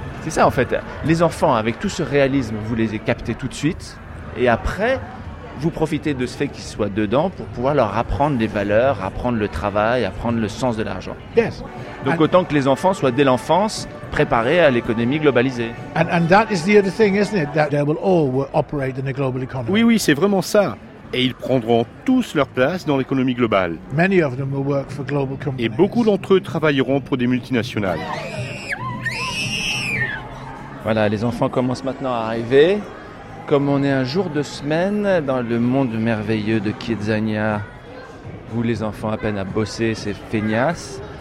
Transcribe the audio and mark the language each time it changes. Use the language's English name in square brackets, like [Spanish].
[French] C'est ça en fait. Les enfants, avec tout ce réalisme, vous les captez tout de suite, et après. Vous profitez de ce fait qu'ils soient dedans pour pouvoir leur apprendre les valeurs, apprendre le travail, apprendre le sens de l'argent. [English] Yes. [French] Donc autant que les enfants soient dès l'enfance préparés à l'économie globalisée. [English] And that is the other thing, isn't it, that they will all operate in a global economy. [French] Oui, oui, c'est vraiment ça. Et ils prendront tous leur place dans l'économie globale. [English] Many of them will work for global companies. [French] Et beaucoup d'entre eux travailleront pour des multinationales. Voilà, les enfants commencent maintenant à arriver. Comme on est un jour de semaine dans le monde merveilleux de Kidzania, où les enfants apprennent à bosser, c'est feignasse.